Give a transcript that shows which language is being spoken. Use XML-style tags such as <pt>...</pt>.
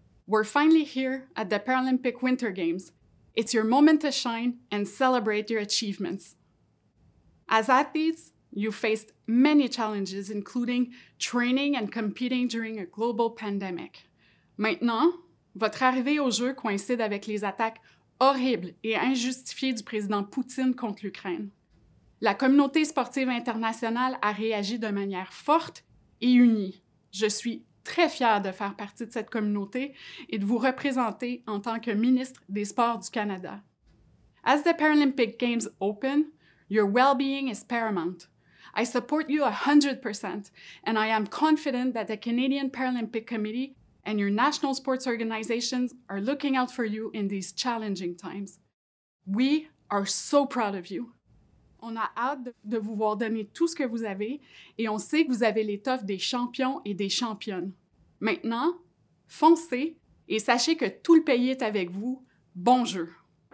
<en>We're finally here at the Paralympic Winter Games. It's your moment to shine and celebrate your achievements. As athletes, you faced many challenges, including training and competing during a global pandemic.</en> <fr>Maintenant, votre arrivée aux Jeux coïncide avec les attaques horribles et injustifiées du président Poutine contre l'Ukraine. La communauté sportive internationale a réagi de manière forte et unie. Je suis très fière de faire partie de cette communauté et de vous représenter en tant que ministre des Sports du Canada.</fr> <en>As the Paralympic Games open, your well-being is paramount. I support you 100%, and I am confident that the Canadian Paralympic Committee and your national sports organizations are looking out for you in these challenging times. We are so proud of you.</en> <fr>On a hâte de vous voir donner tout ce que vous avez et on sait que vous avez l'étoffe des champions et des championnes. Maintenant, foncez et sachez que tout le pays est avec vous. Bon jeu!</fr>